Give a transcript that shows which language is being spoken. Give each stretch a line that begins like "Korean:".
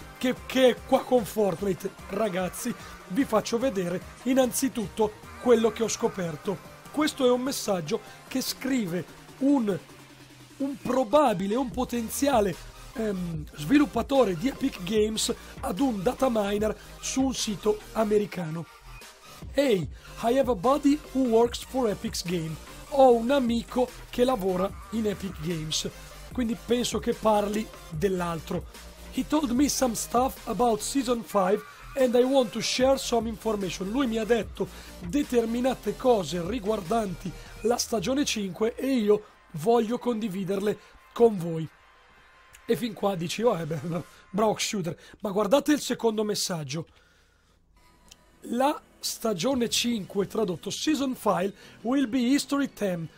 Italian: Che è qua con Fortnite. Ragazzi, vi faccio vedere innanzitutto quello che ho scoperto. Questo è un messaggio che scrive un probabile, un potenziale sviluppatore di Epic Games ad un data miner su un sito americano.
English: Hey, I have a buddy who works for Epic Games.
Italian: Ho un amico che lavora in Epic Games, quindi penso che parli dell'altro.
English: He told me some stuff about season 5 and I want to share some information.
Italian: Lui mi ha detto determinate cose riguardanti la stagione 5 e io voglio condividerle con voi. E fin qua dici, oh, bravo Xyuder. Ma guardate il secondo messaggio. La stagione 5, tradotto,
English: season 5 will be history time.